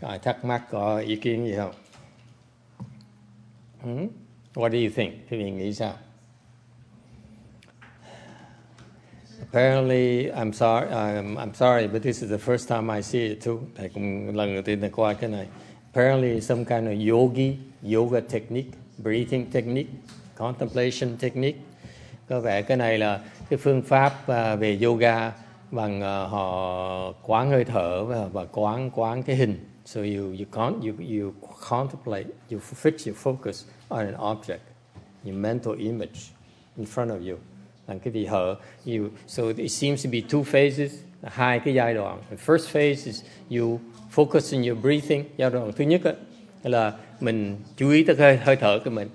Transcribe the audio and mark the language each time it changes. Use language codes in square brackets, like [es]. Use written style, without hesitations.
[vi] I thắc mắc có ý kiến gì không? [en] What do you think? [vi] Thì mình nghĩ sao? [en] Apparently, I'm sorry, but this is the first time I see it too. [vi] Thầy cũng lần đầu tiên qua cái này. [en] Apparently, some kind of yoga technique, breathing technique, contemplation technique. [vi] Có vẻ cái này là cái phương pháp về yoga bằng họ quán hơi thở và quán cái hình. [en] So you contemplate, you fix your focus on an object, your mental image in front of you. [vi] Làm cái gì hở, [en] so it seems to be two phases, [vi] hai cái giai đoạn. [en] The first phase is you focus on your breathing. [vi] Giai đoạn thứ nhất là mình chú ý tới hơi thở của mình.